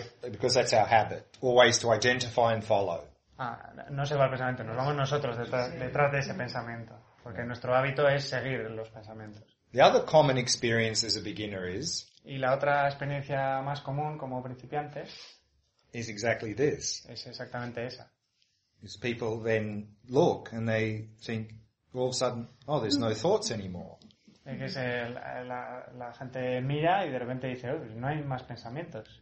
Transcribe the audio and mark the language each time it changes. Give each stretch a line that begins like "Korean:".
English: because that's our habit, always to identify and follow.
Spanish: No se va el pensamiento, nos vamos nosotros detrás de ese pensamiento, porque nuestro hábito es seguir los pensamientos.
English: The other common experience as a beginner is.
Spanish: Y la otra experiencia más común como principiante.
English: Is exactly this.
Spanish: Es exactamente esa.
English: Is people then look and they think all of a sudden, oh, there's no thoughts anymore.
Spanish: Es que la gente mira y de repente dice, oh, no hay más pensamientos.